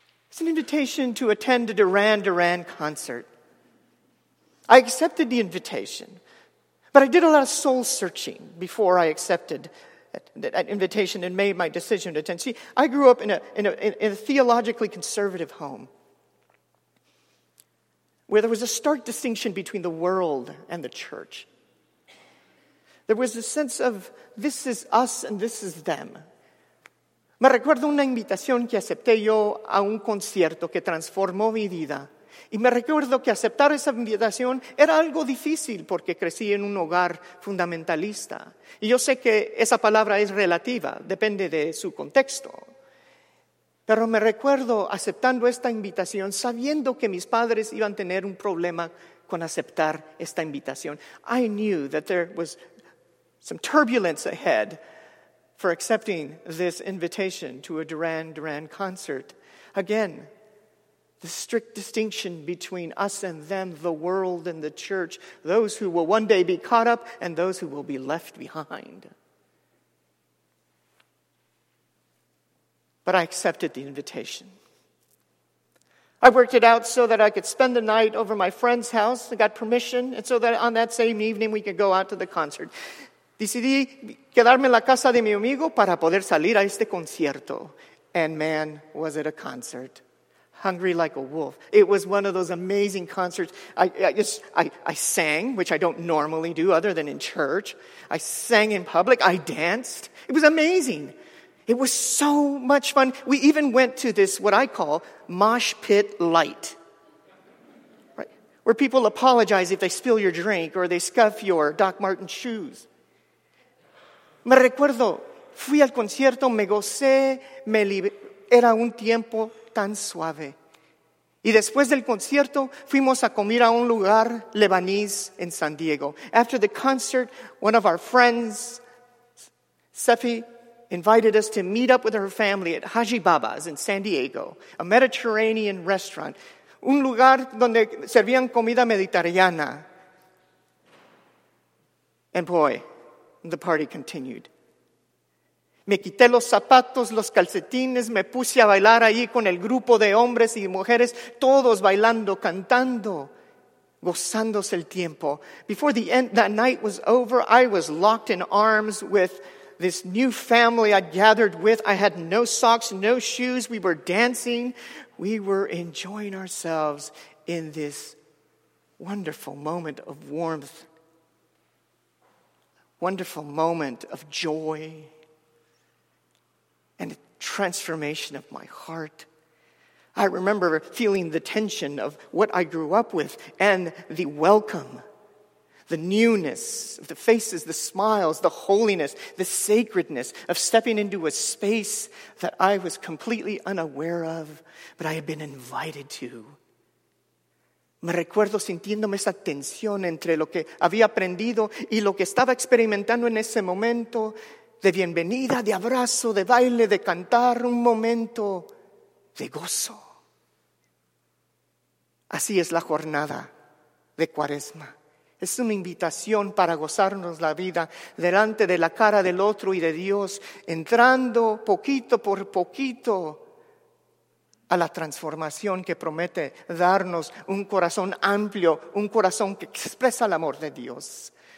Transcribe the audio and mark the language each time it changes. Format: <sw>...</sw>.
<en>It's an invitation to attend a Duran Duran concert. I accepted the invitation, but I did a lot of soul searching before I accepted that invitation and made my decision to attend. See, I grew up in a theologically conservative home where there was a stark distinction between the world and the church. There was a sense of this is us and this is them.</en> <es>Me recuerdo una invitación que acepté yo a un concierto que transformó mi vida. Y me recuerdo que aceptar esa invitación era algo difícil porque crecí en un hogar fundamentalista. Y yo sé que esa palabra es relativa, depende de su contexto. Pero me recuerdo aceptando esta invitación sabiendo que mis padres iban a tener un problema con aceptar esta invitación.</es> <en>I knew that there was some turbulence ahead for accepting this invitation to a Duran Duran concert. Again, the strict distinction between us and them, the world and the church, those who will one day be caught up and those who will be left behind. But I accepted the invitation. I worked it out so that I could spend the night over my friend's house. I got permission, and so that on that same evening we could go out to the concert.</en> <es>Decidí quedarme en la casa de mi amigo para poder salir a este concierto.</es> <en>And man, was it a concert. Hungry like a wolf. It was one of those amazing concerts. I sang, which I don't normally do other than in church. I sang in public. I danced. It was amazing. It was so much fun. We even went to this, what I call, mosh pit light. Right? Where people apologize if they spill your drink or they scuff your Doc Martens shoes.</en> <es>Me recuerdo, fui al concierto, me gocé, me liberé. Era un tiempo tan suave. Y después del concierto, fuimos a comer a un lugar Lebanese en San Diego.</es> <en>After the concert, one of our friends, Sefi, invited us to meet up with her family at Haji Baba's in San Diego, a Mediterranean restaurant.</en> <es>Un lugar donde servían comida mediterránea.</es> <en>And boy, the party continued.</en> <es>Me quité los zapatos, los calcetines, me puse a bailar ahí con el grupo de hombres y mujeres, todos bailando, cantando, gozándose el tiempo.</es> <en>Before the end, that night was over, I was locked in arms with this new family I'd gathered with. I had no socks, no shoes. We were dancing. We were enjoying ourselves in this wonderful moment of warmth. Wonderful moment of joy and transformation of my heart. I remember feeling the tension of what I grew up with and the welcome, the newness of the faces, the smiles, the holiness, the sacredness of stepping into a space that I was completely unaware of, but I had been invited to.</en> <es>Me recuerdo sintiéndome esa tensión entre lo que había aprendido y lo que estaba experimentando en ese momento de bienvenida, de abrazo, de baile, de cantar, un momento de gozo. Así es la jornada de Cuaresma. Es una invitación para gozarnos la vida delante de la cara del otro y de Dios, entrando poquito por poquito a la transformación que promete darnos un corazón amplio, un corazón que expresa el amor de Dios.</es>